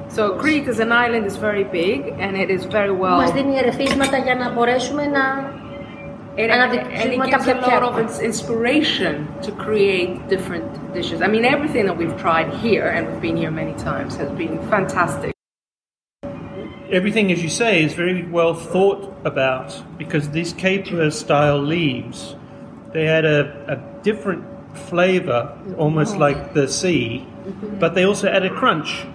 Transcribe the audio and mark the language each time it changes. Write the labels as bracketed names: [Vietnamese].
[English] So Crete as an island is very big and it is very well... [Greek] Μας δίνει ερεθίσματα για να μπορέσουμε να αναδείξουμε κάποια πιάτα. [English] And it gives a lot of inspiration to create different dishes. I mean, everything that we've tried here, and we've been here many times, has been fantastic. everything, as you say, is very well thought about, because these caper-style leaves, they had a different flavour, almost like the sea, but they also add a crunch.